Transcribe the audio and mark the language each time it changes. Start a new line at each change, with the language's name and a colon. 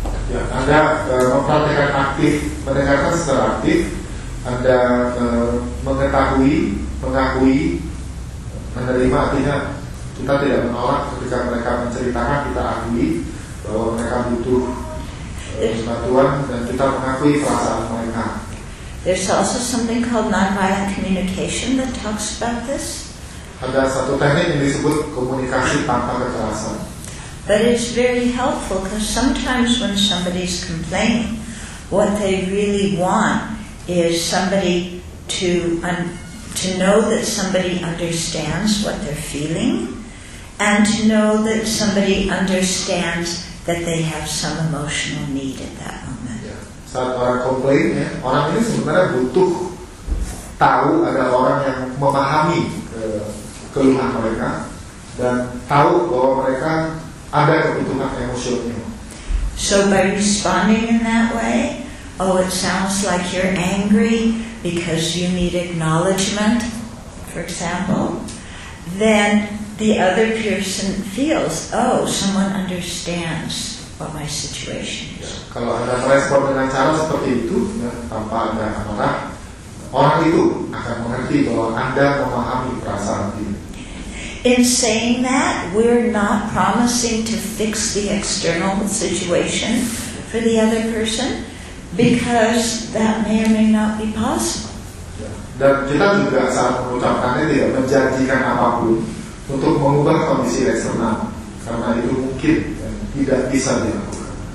Indonesian: Ya, Anda mempraktikkan aktif, mendengarkan secara aktif, Anda mengetahui, mengakui, menerima, artinya kita tidak menolak ketika mereka menceritakan, kita akui bahwa mereka butuh bantuan dan kita mengakui perasaan mereka.
English: There's also something called nonviolent communication that talks about this.
Indonesian: Ada satu teknik yang disebut komunikasi tanpa kekerasan.
English: But it's very helpful because sometimes when somebody's complaining, what they really want is somebody to know that somebody understands what they're feeling, and to know that somebody understands that they have some emotional need at that moment. Yeah.
Indonesian: Saat orang komplain, ya, orang ini sebenarnya butuh tahu ada orang yang memahami keluhan mereka dan tahu bahwa mereka ada kebutuhan emosional.
English: So by responding in that way, oh, it sounds like you're angry because you need acknowledgement, for example, then the other person feels, oh, someone understands what my situation is.
Indonesian: Ya, kalau Anda merespon dengan cara seperti itu, ya, tanpa Anda marah, orang itu akan mengerti bahwa Anda memahami perasaan dia.
English: In saying that, we're not promising to fix the external situation for the other person, because that may or may not be possible.
Indonesian: Dan kita juga saat mengucapkannya tidak menjanjikan apapun untuk mengubah kondisi eksternal, karena itu mungkin dan tidak bisa dilakukan.